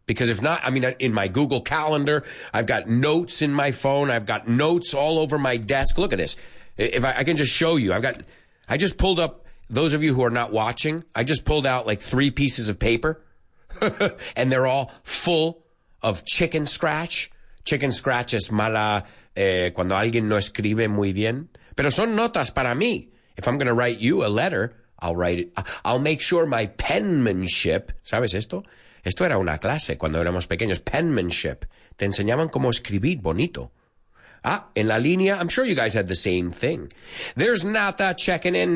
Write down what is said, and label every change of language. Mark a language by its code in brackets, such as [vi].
[en] Because if not, I mean, in my Google Calendar, I've got notes in my phone. I've got notes all over my desk. Look at this. If I can just show you. I just pulled up. Those of you who are not watching, I just pulled out like three pieces of paper and they're all full of chicken scratch. [es] Chicken scratch es mala cuando alguien no escribe muy bien. Pero son notas para mí. [en] If I'm going to write you a letter, I'll write it. I'll make sure my penmanship, [es] ¿sabes esto? Esto era una clase cuando éramos pequeños. Penmanship. Te enseñaban cómo escribir bonito. Ah, en la línea, [en] I'm sure you guys had the same thing. There's Nata checking in.